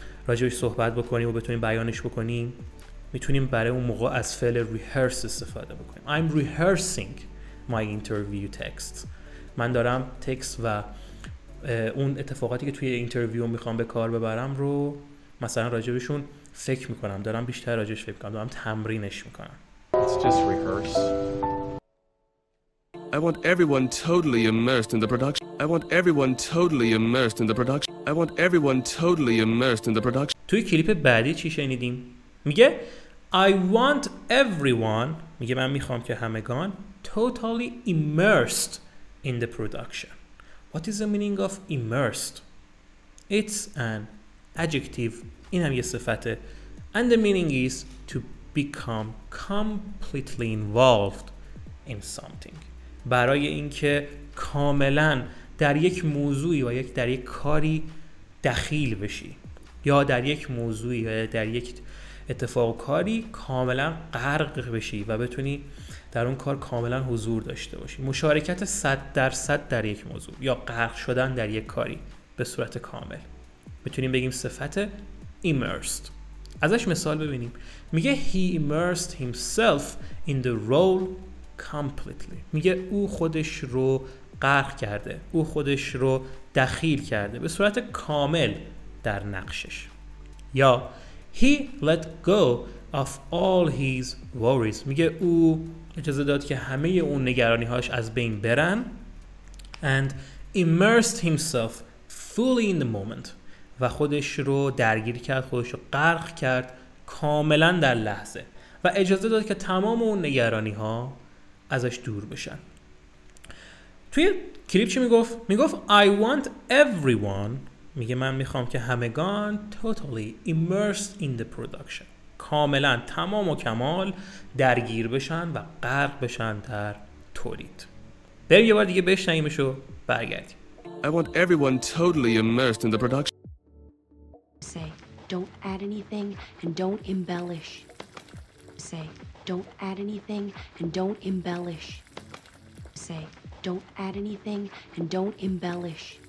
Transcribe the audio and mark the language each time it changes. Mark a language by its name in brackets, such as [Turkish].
[Persian] راجعش صحبت بکنیم و بتونیم بیانش بکنیم، میتونیم برای اون موقع از فعل rehearse استفاده بکنیم. [English] I'm rehearsing my interview text. [Persian] من دارم تکست و اون اتفاقاتی که توی اینترویو میخوام به کار ببرم رو مثلا راجعشون فکر میکنم، دارم بیشتر راجعش فکر میکنم، دارم تمرینش میکنم. [English] It's just rehearse. I want everyone totally immersed in the production. I want everyone totally immersed in the production. I want everyone totally immersed in the production. [Persian] توی کلیپ بعدی چی شنیدیم؟ میگه [English] I want everyone، [Persian] میگه من میخوام که همگان [English] totally immersed in the production. What is the meaning of immersed? It's an adjective. [Persian] اینم یه صفته. [English] And the meaning is to become completely involved in something. [Persian] برای اینکه کاملا در یک موضوعی و یک در یک کاری دخیل بشی، یا در یک موضوعی یا در یک اتفاق و کاری کاملا غرق بشی و بتونی در اون کار کاملا حضور داشته باشی. مشارکت 100% در یک موضوع یا غرق شدن در یک کاری به صورت کامل، میتونیم بگیم صفت immersed. ازش مثال ببینیم. [English] میگه he immersed himself in the role completely. [Persian] میگه او خودش رو غرق کرده، او خودش رو دخیل کرده به صورت کامل در نقشش. [English] یا he let go of all his worries. [Persian] میگه او اجازه داد که همه اون نگرانی هاش از بین برن. [English] And immersed himself fully in the moment. [Persian] و خودش رو درگیر کرد، خودش رو غرق کرد کاملا در لحظه و اجازه داد که تمام اون نگرانی ها ازش دور بشن. توی کلیپ چی میگفت؟ میگفت [English] I want everyone، [Persian] میگه من میخوام که همگان [English] totally immersed in the production، [Persian] کاملا تمام و کمال درگیر بشن و غرق بشن در تولید. بریم یه بار دیگه بشنیمش و برگردیم. [English] I want everyone totally immersed in the production. Say, don't add anything and don't embellish. Say, don't add anything and don't embellish. Say, don't add anything and don't embellish.